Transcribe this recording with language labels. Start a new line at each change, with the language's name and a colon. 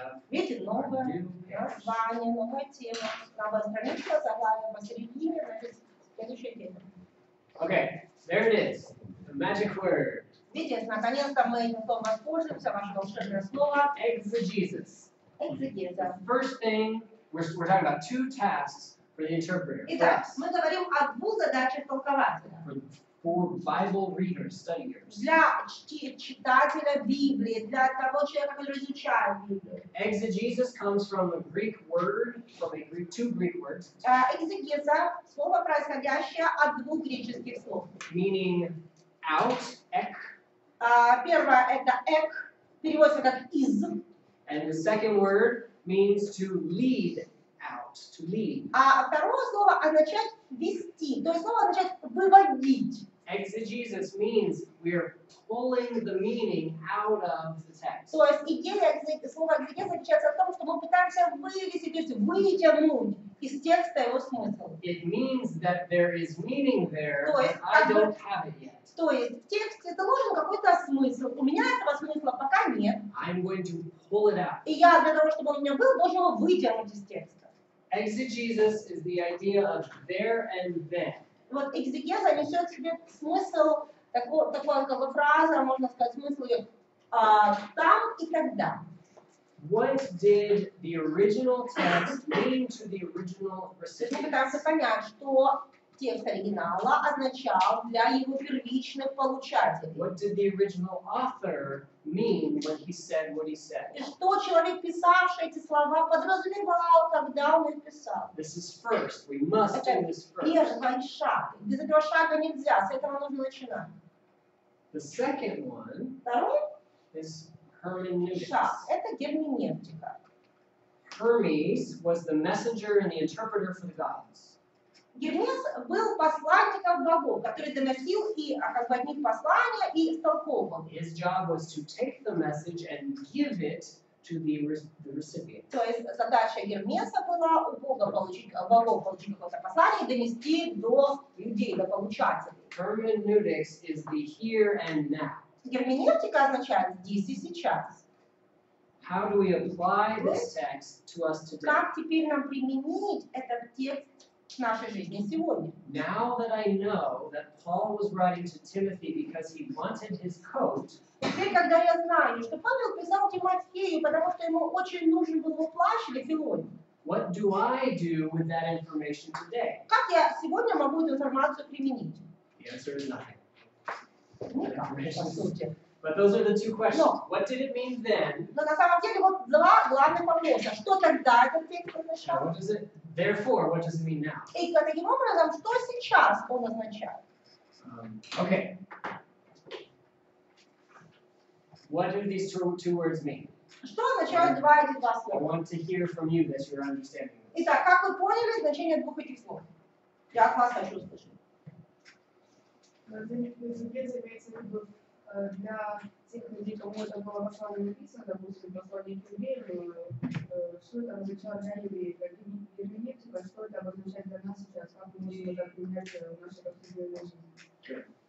Russian: Видите, новое название, новая тема. Новая страница, заглавие посередине, значит, следующая тема.
English: Okay, there it is. Magic word.
Russian: Видите, наконец-то мы потом воспользуемся вашим волшебным словом. Экзегезис. Экзегеза.
English: First thing, we're talking about two tasks for the interpreter.
Russian: Итак, мы говорим о двух задачах толкователя.
English: For Bible readers, studiers.
Russian: Для читателя Библии, для того человека, который изучает Библию.
English: Exegesis comes from a Greek word, two Greek words.
Russian: Экзегеза — слово, происходящее от двух греческих слов.
English: Meaning out, ek.
Russian: Первое — это ek, переводится как из.
English: And the second word means to lead out, to lead.
Russian: А второе слово означает вести, то есть слово означает выводить.
English: Exegesis means we are pulling the meaning out of the text.
Russian: То есть идея слова экзегеза заключается в том, что мы пытаемся вывести, то есть вытянуть из текста его смысл.
English: It means that there is meaning there, but I don't have it yet.
Russian: То есть в тексте заложен какой-то смысл. У меня этого смысла пока нет.
English: I'm going to pull it out.
Russian: И я для того, чтобы он у меня был, должен его вытянуть из текста.
English: Exegesis is the idea of there and then.
Russian: Вот экзегеза несет в себе смысл, такой фраза, можно сказать, смысл ее там и тогда.
English: What did the original text mean to the original recipient?
Russian: Мы пытаемся понять, что текст оригинала означал для его первичных получателей.
English: What did the original author mean? when he said what he said.
Russian: И что человек, писавший эти слова, подразумевал, когда он их писал.
English: This is first. We must do this first.
Russian: Это первый шаг. Без этого шага нельзя. С этого нужно начинать.
English: The second one is hermeneutics.
Russian: Это герменевтика.
English: Hermes was the messenger and the interpreter for the gods.
Russian: Гермес был посланником богов, который доносил и как бы от них послания и истолковывал.
English: His job was to take the message and give it to the recipient.
Russian: То есть задача Гермеса была у бога получить какое-то послание и донести до людей, до получателей.
English: Hermeneutics is the here and now.
Russian: Герменевтика означает здесь и сейчас.
English: How do we apply this text to us today?
Russian: Как теперь нам применить этот текст в нашей жизни сегодня?
English: Now that I know that Paul was writing to Timothy because he wanted his coat.
Russian: Теперь, когда я знаю, что Павел писал Тимофею, потому что ему очень нужен был плащ для Филонии.
English: What do I do with that information today?
Russian: Как я сегодня могу эту информацию применить?
English: The answer is nothing. But those are the two questions.
Russian: Но,
English: what did it mean then?
Russian: Но на самом деле вот два главных вопроса. Что тогда этот текст означал?
English: What does it, therefore, what does it mean now?
Russian: И таким образом, что сейчас он означает?
English: Okay. What do these two words mean?
Russian: Что означают два эти два слова?
English: I want to hear from you that you're understanding this.
Russian: Итак, как вы поняли значение двух этих слов? Я от вас хочу услышать. Для тех людей, кому это было послание написано, допустим, послание к евреям, что это означало для евреев, какие герменевтики, а что это обозначает для нас сейчас, как мы можем это применять в нашей повседневной жизни.